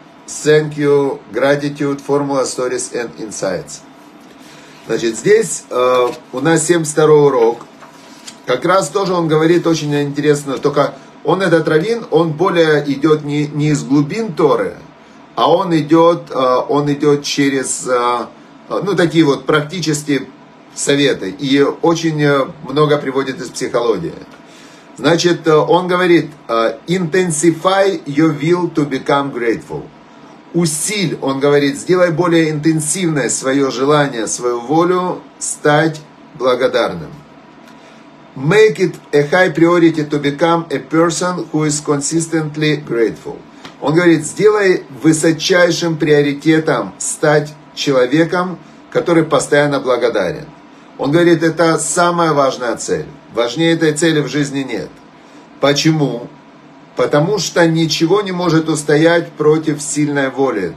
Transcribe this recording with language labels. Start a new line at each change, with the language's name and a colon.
English: Thank you, gratitude, formula, stories and insights.
Russian: Значит, здесь у нас 72-й урок. Как раз тоже он говорит очень интересно, только он этот раввин, он более идет не из глубин Торы, а он идет через ну, такие вот практические советы и очень много приводит из психологии. Значит, он говорит,
English: intensify your will to become grateful.
Russian: Усиль, он говорит, сделай более интенсивное свое желание, свою волю стать благодарным.
English: Make it a high priority to become a person who is consistently grateful.
Russian: Он говорит, сделай высочайшим приоритетом стать человеком, который постоянно благодарен. Он говорит, это самая важная цель. Важнее этой цели в жизни нет. Почему? Потому что ничего не может устоять против сильной воли.